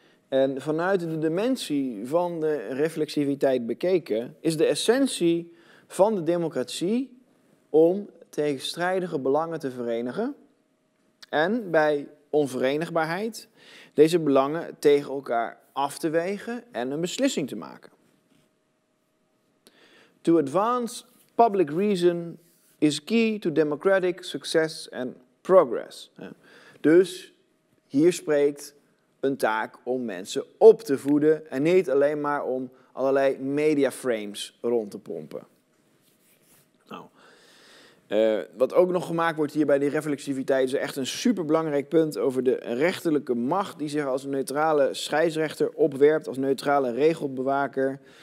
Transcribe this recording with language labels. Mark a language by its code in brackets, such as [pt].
[nl] En vanuit de dimensie van de reflexiviteit bekeken is de essentie van de democratie om tegenstrijdige belangen te verenigen en bij onverenigbaarheid deze belangen tegen elkaar af te wegen en een beslissing te maken. [en] To advance public reason is key to democratic success and progress. [nl] Dus hier spreekt een taak om mensen op te voeden en niet alleen maar om allerlei mediaframes rond te pompen. Wat ook nog gemaakt wordt hier bij die reflexiviteit is echt een superbelangrijk punt over de rechterlijke macht die zich als neutrale scheidsrechter opwerpt, als neutrale regelbewaker.